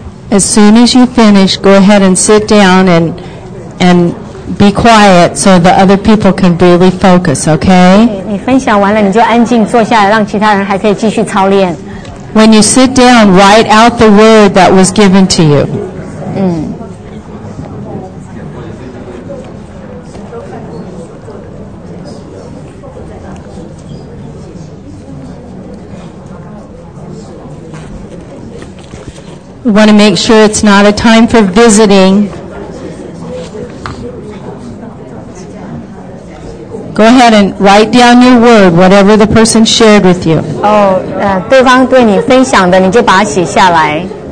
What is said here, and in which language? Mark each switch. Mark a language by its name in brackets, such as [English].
[English] As soon as you finish, go ahead and sit down and be quiet so the other people can really focus, okay? [Chinese] 你分享完了，你就安静坐下来，让其他人还可以继续操练。 [English] When you sit down, write out the word that was given to you. 嗯。Want to make sure it's not a time for visiting. Go ahead and write down your word, whatever the person shared with you. [Chinese] Oh, 对方对你分享的，你就把它写下来。